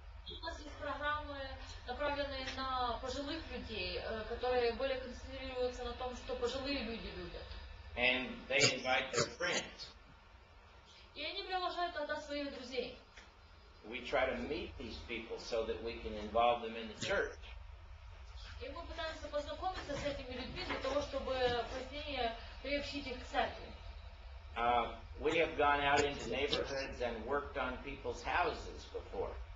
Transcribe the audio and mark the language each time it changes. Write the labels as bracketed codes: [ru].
[ru] У нас есть программы, направленные на пожилых людей, которые более концентрируются на том, что пожилые люди любят. [en] And they invite their friends. [ru] И они приглашают тогда своих друзей. [en] We try to meet these people so that we can involve them in the church. [ru] И мы пытаемся познакомиться с этими людьми для того, чтобы позднее приобщить их к церкви. [en] We have gone out into neighborhoods and worked on people's houses before.